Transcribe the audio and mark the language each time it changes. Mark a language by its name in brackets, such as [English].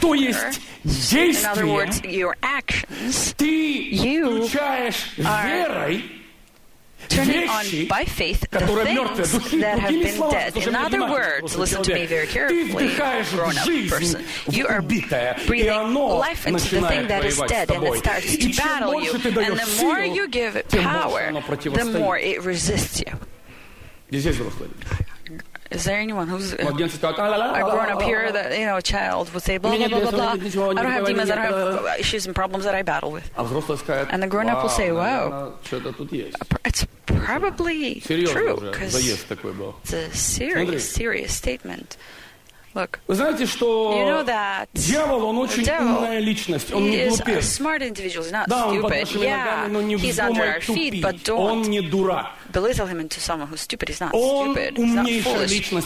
[Russian] то есть действием, ты включаешь верой вещи, которые мертвые, духи, другими словами, ты вдыхаешь жизнь в убитое, и оно начинает воевать с тобой. И чем больше ты даешь силу, тем больше оно противостоит. Где здесь взрослые? [English] Is there anyone who's grown up here that, you know, a child would say, blah, blah, blah, blah, blah. I don't have demons, I don't have issues and problems that I battle with. And the grown-up will say, wow, it's probably true, because it's a serious, serious statement. Look, [Russian] вы знаете, что дьявол, он очень умная личность, он не глупец. Да, он под нашими ногами, но не вздумай тупить. Он не дурак. [English] Belittle him into someone who's stupid. He's not [Russian] он [English] stupid. He's not foolish. [Russian] Личность,